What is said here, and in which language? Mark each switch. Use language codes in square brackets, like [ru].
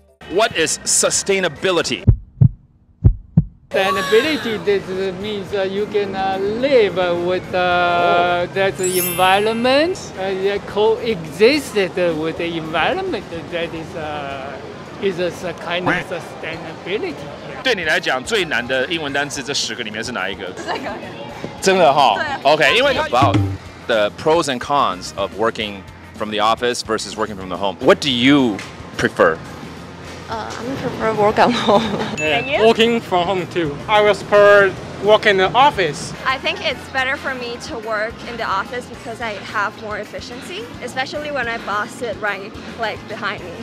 [en] What is sustainability? Sustainability means you can live with that environment, coexist with the environment. That is a kind of sustainability. [zh] 对你来讲最难的英文单词，这十个里面是哪一个？这个。真的哈、哦、 [en] ？OK， [zh] 因为 [en] about the pros and cons of working from the office versus working from the home. What do you prefer? I prefer work at home. Yeah. Working from home too. I prefer work in the office. I think it's better for me to work in the office because I have more efficiency, especially when my boss sit right like behind me.